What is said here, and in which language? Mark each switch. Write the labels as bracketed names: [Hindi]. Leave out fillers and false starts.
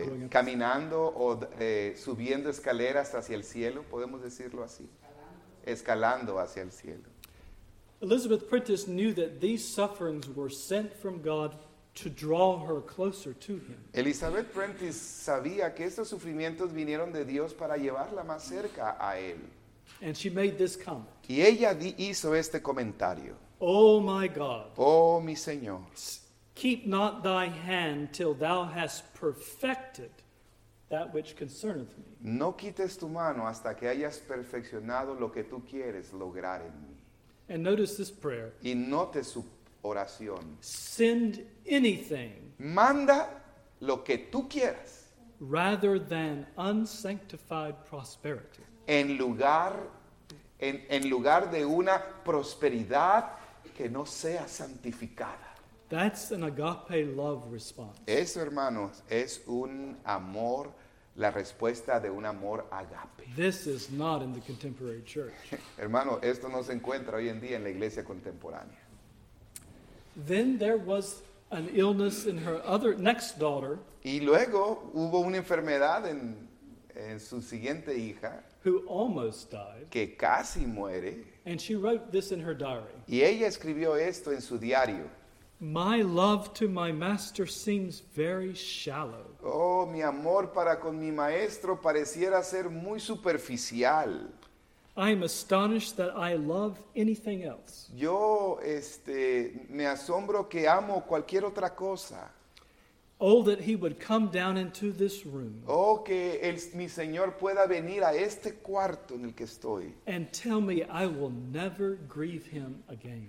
[Spanish] Caminando o subiendo escaleras hacia el cielo, podemos decirlo así. Escalando hacia el cielo. [English] Elizabeth Prentice knew that these sufferings were sent from God to draw her closer to him. [Spanish] Elizabeth Prentice sabía que estos sufrimientos vinieron de Dios para llevarla más cerca a él. [English] And she made this comment. [Spanish] Y ella hizo este comentario. [English] Oh my God. [Spanish] Oh mi Señor. [English] Keep not thy hand till thou hast perfected that which concerneth me. [Spanish] No quites tu mano hasta que hayas perfeccionado lo que tú quieres lograr en mí. [English] And notice this prayer. [Spanish] Y note oración. [English] Send anything. [Spanish] Manda lo que tú quieras. [English] Rather than unsanctified prosperity. [Spanish] En lugar de una prosperidad que no sea santificada. [English] That's an agape love response. [Spanish] Eso, hermanos, es un amor, la respuesta de un amor agape. [English] This is not in the contemporary church. [Spanish] Hermano, esto no se encuentra hoy en día en la iglesia contemporánea. [English] Then there was an illness in her other next daughter. [Spanish] Y luego hubo una enfermedad en su siguiente hija. [English] Who almost died. [Spanish] Que casi muere. [English] And she wrote this in her diary. [Spanish] Y ella escribió esto en su diario. [English] My love to my master seems very shallow. [Spanish] Oh, mi amor para con mi maestro pareciera ser muy superficial. [English] I am astonished that I love anything else. [Spanish] Yo, me asombro que amo cualquier otra cosa. [English] Oh, that he would come down into this room. [Spanish] Oh, que mi Señor pueda venir a este cuarto en el que estoy. [English] And tell me I will never grieve him again.